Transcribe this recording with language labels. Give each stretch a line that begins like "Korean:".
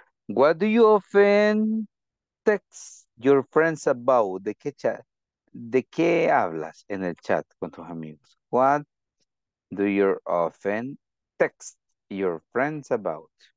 English: What do you often text your friends about?
Spanish: ¿De qué hablas en el chat con tus amigos?
English: What do you often text your friends about?